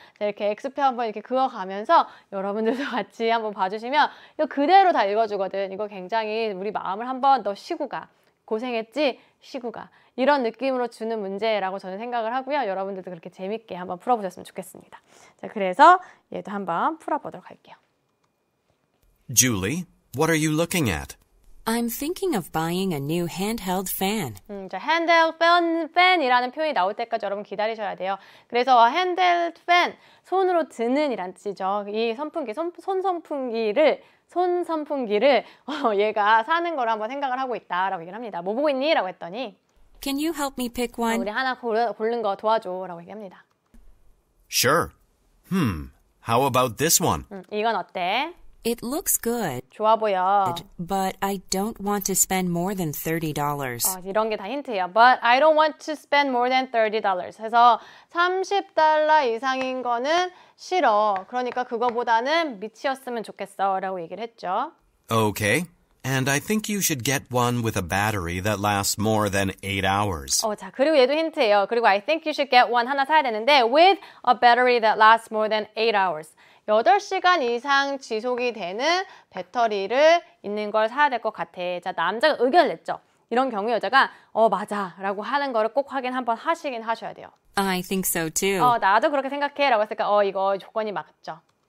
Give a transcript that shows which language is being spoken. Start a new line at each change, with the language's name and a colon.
Korean: 자, 이렇게 X표 한번 이렇게 그어가면서 여러분들도 같이 한번 봐주시면 이거 그대로 다 읽어주거든. 이거 굉장히 우리 마음을 한번 더 쉬고 가. 고생했지? 쉬고 가. 이런 느낌으로 주는 문제라고 저는 생각을 하고요. 여러분들도 그렇게 재밌게 한번 풀어보셨으면 좋겠습니다. 자, 그래서 얘도 한번 풀어보도록 할게요.
English: Julie, what are you looking at? I'm thinking of buying a new handheld fan.
Korean: Handheld fan이라는 표현이 나올 때까지 여러분 기다리셔야 돼요. 그래서 handheld fan, 손으로 드는 이란 뜻이죠. 이 선풍기, 손 선풍기를 얘가 사는 걸 한번 생각을 하고 있다라고 얘기를 합니다. 뭐 보고 있니? 라고 했더니
English: Can you help me pick one?
Korean: 우리 하나 고른 거 도와줘 라고 얘기합니다.
English: Sure. How about this one?
Korean: 이건 어때?
English: It looks good.
Korean: 좋아 보여.
English: But I don't want to spend more than $30.
Korean: 이런 게 다 힌트예요.
English: But I don't want to spend more than $30.
Korean: 해서 $30 이상인 거는 싫어. 그러니까 그거보다는 미치었으면 좋겠어 라고 얘기를 했죠.
English: Okay. And I think you should get one with a battery that lasts more than 8 hours.
Korean: 자, 그리고 얘도 힌트예요. 그리고
English: I think you should get one
Korean: 하나 사야 되는데
English: with a battery that lasts more than 8 hours.
Korean: 8시간 이상 지속이 되는 배터리를 있는 걸 사야 될 것 같아. 자, 남자가 의견을 냈죠. 이런 경우 여자가 맞아 라고 하는 거를 꼭 확인 한번 하시긴 하셔야 돼요.
English: I think so too.
Korean: 나도 그렇게 생각해 라고 했을까 이거 조건이 맞죠.